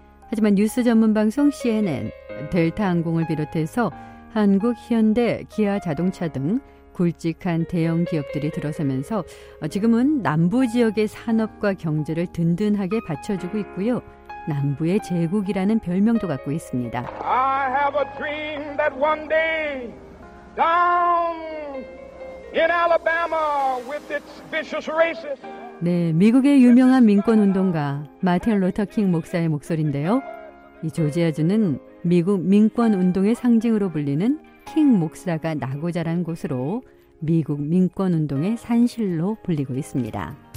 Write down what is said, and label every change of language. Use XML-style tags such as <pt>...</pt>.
<ko>하지만 뉴스 전문 방송 CNN, 델타 항공을 비롯해서 한국, 현대, 기아 자동차 등 굵직한 대형 기업들이 들어서면서 지금은 남부 지역의 산업과 경제를 든든하게 받쳐주고 있고요. 남부의 제국이라는 별명도 갖고 있습니다.</ko> <en>I have a dream that one day down in Alabama with its vicious racists.</en> <ko>네, 미국의 유명한 민권 운동가 마틴 루터 킹 목사의 목소리인데요. 이 조지아주는 미국 민권 운동의 상징으로 불리는 킹 목사가 나고 자란 곳으로 미국 민권 운동의 산실로 불리고 있습니다.</ko>